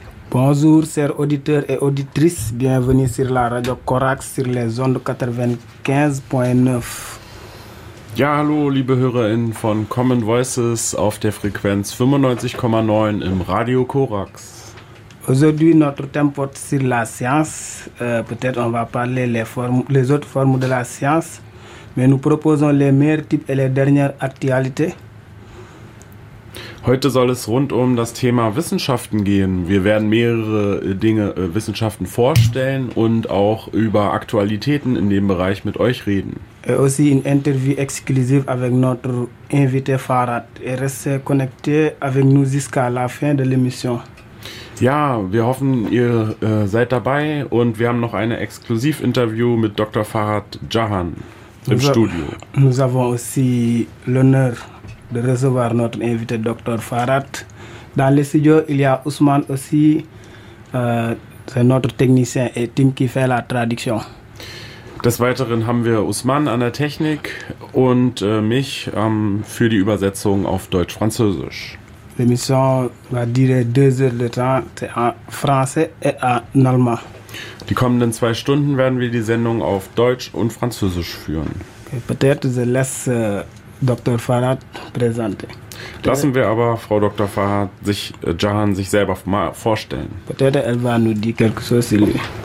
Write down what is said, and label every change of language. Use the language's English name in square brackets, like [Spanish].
[French] Bonjour, chers auditeurs et auditrices, bienvenue sur la radio Corax sur les ondes 95.9. [German] Ja, hallo, liebe HörerInnen von Common Voices auf der Frequenz 95,9 im Radio Corax. [French] Aujourd'hui, notre thème porte sur la science. Peut-être on va parler les autres formes de la science, mais nous proposons les meilleurs types et les dernières actualités. [German] Heute soll es rund um das Thema Wissenschaften gehen. Wir werden mehrere Dinge, Wissenschaften vorstellen und auch über Aktualitäten in dem Bereich mit euch reden. [French] Aussi [German] ein Interview exklusiv [French] avec notre invité Farad. Restez connectés avec nous jusqu'à la fin de l'émission. [German] Ja, wir hoffen, ihr seid dabei und wir haben noch eine Exklusiv-Interview mit Dr. Farad Jahan im Studio. [French] Nous avons aussi l'honneur de recevoir notre invité Dr. Farad. Dans les studios, il y a Ousmane aussi, c'est notre technicien et Tim qui fait la traduction. [German] Des Weiteren haben wir Ousmane an der Technik und mich für die Übersetzung auf Deutsch-Französisch. [French] L'émission va durer 2 heures de temps, c'est en français et en allemand. [German] Die kommenden 2 Stunden werden wir die Sendung auf Deutsch und Französisch führen. [French] Okay, peut-être je laisse Dr. Farad présenter. [German] Lassen wir aber Frau Dr. Farad sich, Jahan, sich selber mal vorstellen. [French] Peut-être elle va nous dire quelque chose sur lui.